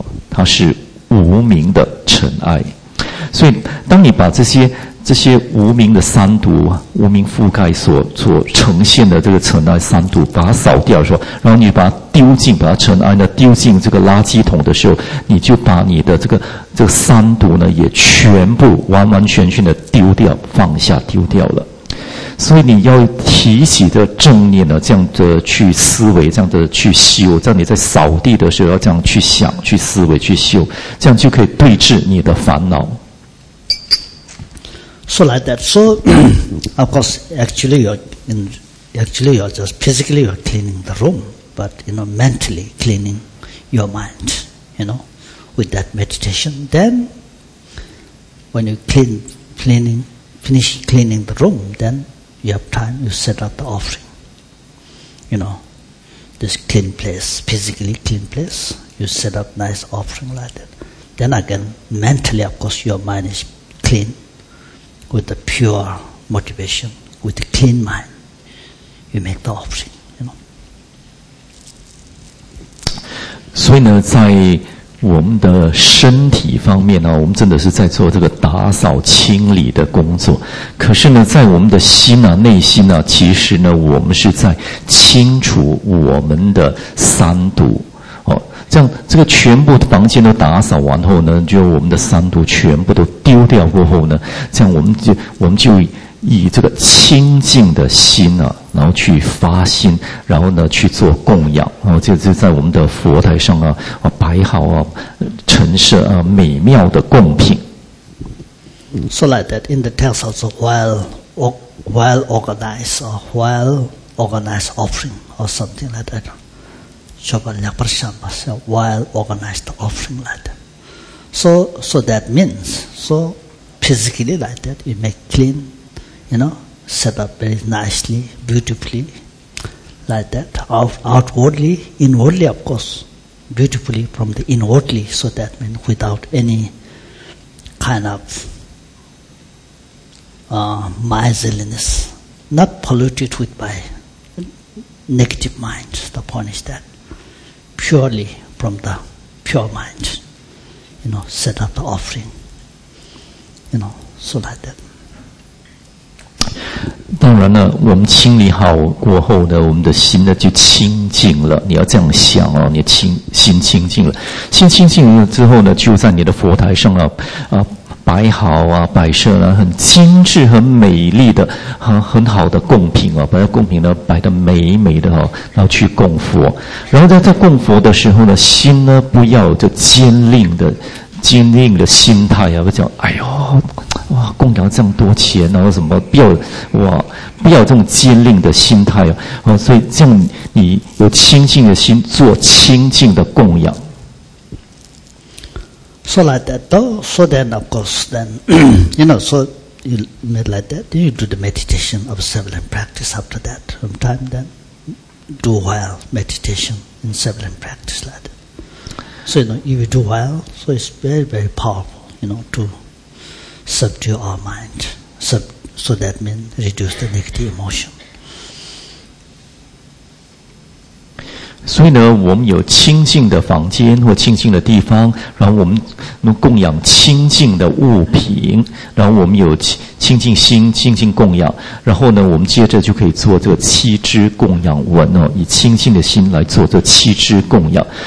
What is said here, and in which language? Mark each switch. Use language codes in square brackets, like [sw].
[zh] 它是无明的尘埃，所以当你把这些无明的三毒啊，无明覆盖所呈现的这个尘埃三毒，把它扫掉的时候，然后你把它丢进，把它尘埃呢丢进这个垃圾桶的时候，你就把你的这个三毒呢也全部完完全全的丢掉，放下丢掉了。所以你要提起的正念呢，这样的去思维，这样的去修，这样你在扫地的时候要这样去想、去思维、去修，这样就可以对治你的烦恼。 [en] So like that. So of course, actually you're just physically you're cleaning the room, but you know mentally cleaning your mind. You know, with that meditation, then when you finish cleaning the room, then you have time, you set up the offering. You know, this clean place, physically clean place, you set up nice offering like that. Then again, mentally, of course, your mind is clean with the pure motivation, with the clean mind, you make the offering, you know. [zh] 所以呢，在我们的身体方面呢，我们真的是在做这个打扫清理的工作。可是呢，在我们的心呢、啊、内心呢、啊，其实呢，我们是在清除我们的三毒。哦，这样这个全部的房间都打扫完后呢，就我们的三毒全部都丢掉过后呢，这样我们就以这个清净的心啊，然后去发心，然后呢去做供养，然后就在我们的佛台上啊，摆好啊，陈设啊美妙的供品。 [en] So like that in the text also, while organized or while organized offering or something like that, Chopalyaprasamba said while organized offering like that. So that means so physically like that you make clean. You know, set up very nicely, beautifully, like that. Outwardly, inwardly, of course, beautifully from the inwardly, so that means without any kind of miserliness, not polluted with by negative mind. The point is that purely from the pure mind, you know, set up the offering, you know, so like that. [zh] 当然呢，我们清理好过后呢，我们的心呢就清净了。你要这样想哦，你心清净了，心清净了之后呢，就在你的佛台上啊，摆好啊，摆设啊，很精致、很美丽的，很好的供品啊，把那供品呢摆得美美的哦，然后去供佛。然后在供佛的时候呢，心呢不要就坚定的、坚定的心态啊，不讲哎呦，哇，供养这么多钱，然后什么不要哇，不要这种坚定的心态啊。所以这样你有清净的心做清净的供养。 [en] So like that, though, so then of course, then, you know, so you made like that, then you do the meditation, observe and practice after that, sometime then, do well, meditation, and observe and practice like that. So, you know, if you do well, so it's very, very powerful, you know, to subdue our mind, so that means reduce the negative emotion. [zh] 所以呢，我们有清净的房间或清净的地方，然后我们供养清净的物品，然后我们有清净心、清净供养，然后呢，我们接着就可以做这个七支供养文哦，以清净的心来做这七支供养。